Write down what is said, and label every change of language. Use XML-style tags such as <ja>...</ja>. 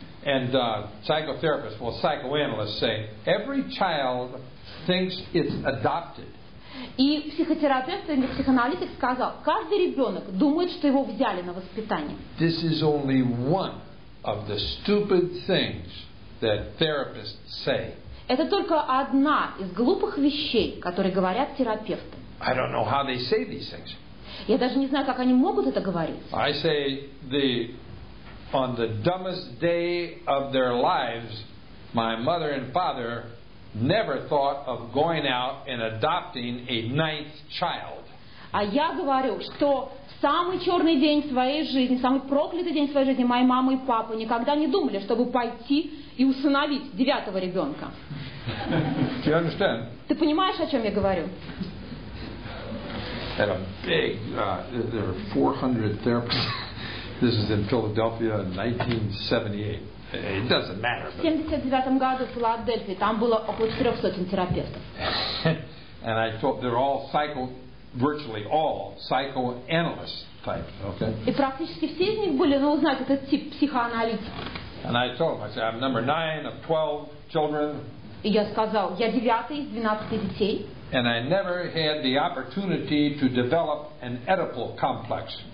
<en>And psychotherapists, well, psychoanalysts say, every child thinks it's adopted.</en> <ru>И психотерапевт или психоаналитик сказал, каждый ребенок думает, что его взяли на воспитание.</ru> <en>This is only one of the stupid things that therapists say.</en> <ru>Это только одна из глупых вещей, которые говорят терапевты.</ru> <en>I don't know how they say these things.</en> <ru>Я даже не знаю, как они могут это говорить.</ru> <en>I say the on the dumbest day of their lives, my mother and father never thought of going out and adopting a ninth child.</en> <ru>А я говорю, что в самый черный день своей жизни, самый проклятый день своей жизни, моя мама и папа никогда не думали, чтобы пойти и усыновить девятого ребенка.</ru> <en>Do you understand?</en> <ru>Ты понимаешь, о чем я говорю?</ru> <en>At a big, there were 400 therapists. This is in Philadelphia in 1978. It doesn't matter.</en> <ru>В 79-м году в Филадельфии там было около 300 терапевтов.</ru> <en>And I thought they're all virtually all psychoanalyst type, okay?</en> <ru>И практически все из них были, ну, знаете, этот тип психоаналитик.</ru> <en>And I told them, I said, I'm number 9 of 12 children.</en> <ru>И я сказал, я 9-й из 12 детей.</ru> <en>And I never had the opportunity to develop an Oedipal complex.</en>